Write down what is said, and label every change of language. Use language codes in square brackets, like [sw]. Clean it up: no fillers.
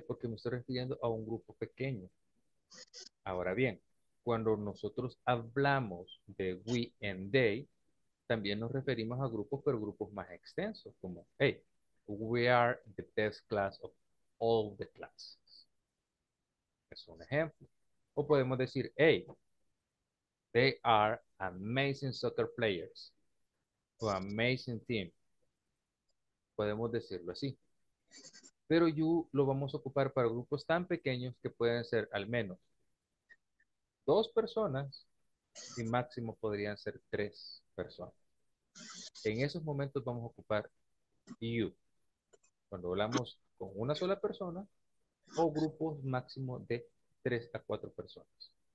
[es] Porque me estoy refiriendo a un grupo pequeño. Ahora bien, cuando nosotros hablamos de [en] we and they, [es] también nos referimos a grupos, pero grupos más extensos, como, hey, [en] we are the best class of all the classes. [es] Es un ejemplo. O podemos decir, [en] hey, they are amazing soccer players, an amazing team. [es] Podemos decirlo así. Pero you lo vamos a ocupar para grupos tan pequeños que pueden ser al menos dos personas y máximo podrían ser tres personas. En esos momentos vamos a ocupar you. Cuando hablamos con una sola persona o grupos máximo de 3 a 4 personas.